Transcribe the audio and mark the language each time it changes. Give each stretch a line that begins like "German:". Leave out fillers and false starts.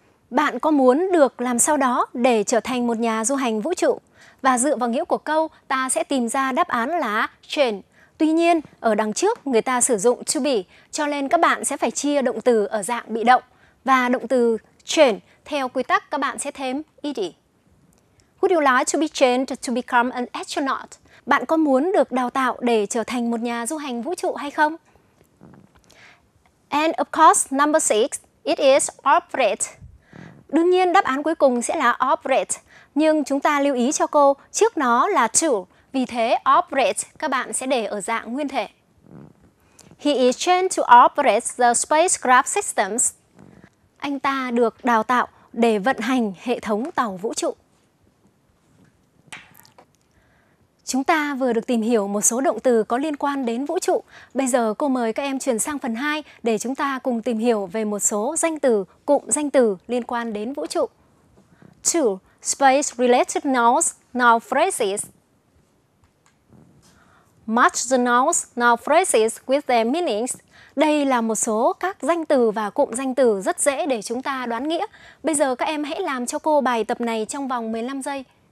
Vietnamese: Bạn có muốn được làm sao đó để trở thành một nhà du hành vũ trụ? Và dựa vào nghĩa của câu, ta sẽ tìm ra đáp án là train. Tuy nhiên, ở đằng trước người ta sử dụng to be, cho nên các bạn sẽ phải chia động từ ở dạng bị động. Và động từ train theo quy tắc các bạn sẽ thêm ed.
English: Would you like to be trained to become an astronaut?
Vietnamese: Bạn có muốn được đào tạo để trở thành một nhà du hành vũ trụ hay không?
English: And of course, number 6, it is operate.
Vietnamese: Đương nhiên, đáp án cuối cùng sẽ là operate. Nhưng chúng ta lưu ý cho cô, trước nó là to. Vì thế, operate các bạn sẽ để ở dạng nguyên thể.
English: He is trained to operate the spacecraft systems.
Vietnamese: Anh ta được đào tạo để vận hành hệ thống tàu vũ trụ. Chúng ta vừa được tìm hiểu một số động từ có liên quan đến vũ trụ. Bây giờ cô mời các em chuyển sang phần 2 để chúng ta cùng tìm hiểu về một số danh từ, cụm danh từ liên quan đến vũ trụ.
English: 2. Space-related nouns, noun phrases. Match the nouns, noun phrases with their meanings.
Vietnamese: Đây là một số các danh từ và cụm danh từ rất dễ để chúng ta đoán nghĩa. Bây giờ các em hãy làm cho cô bài tập này trong vòng 15 giây.